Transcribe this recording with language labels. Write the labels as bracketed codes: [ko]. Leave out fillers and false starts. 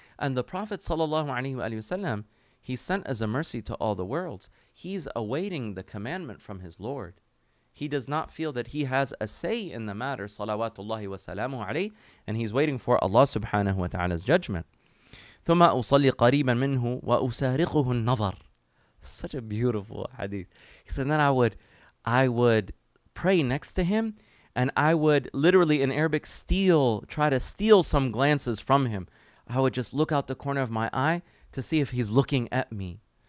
[en] And the Prophet sallallahu alaihi wasallam, he sent as a mercy to all the worlds. He's awaiting the commandment from his Lord. He does not feel that he has a say in the matter, salawatullahi wa salamu alayhi, and he's waiting for Allah subhanahu wa ta'ala's judgment. [ar] ثم أصلي قريبا منه وأسارقه النظر. [en] Such a beautiful hadith. He said, then I would pray next to him and I would literally in Arabic try to steal some glances from him. I would just look out the corner of my eye to see if he's looking at me.